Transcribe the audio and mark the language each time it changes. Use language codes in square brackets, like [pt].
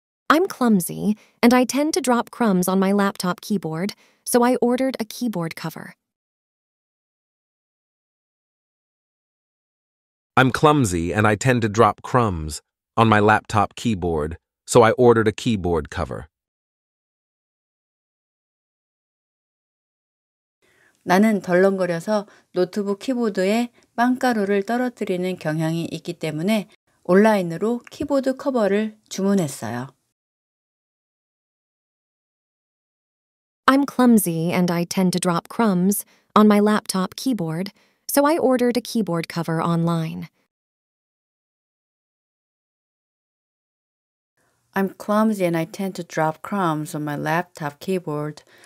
[en] I'm clumsy, and I tend to drop crumbs on my laptop keyboard, so I ordered a keyboard cover. I'm clumsy, and I tend to drop crumbs on my laptop keyboard, so I ordered a keyboard cover. [ko] 나는 덜렁거려서 노트북 키보드에 빵가루를 떨어뜨리는 경향이 있기 때문에 온라인으로 키보드 커버를 주문했어요. [en] I'm clumsy and I tend to drop crumbs on my laptop keyboard, so I ordered a keyboard cover online. I'm clumsy and I tend to drop crumbs on my laptop keyboard.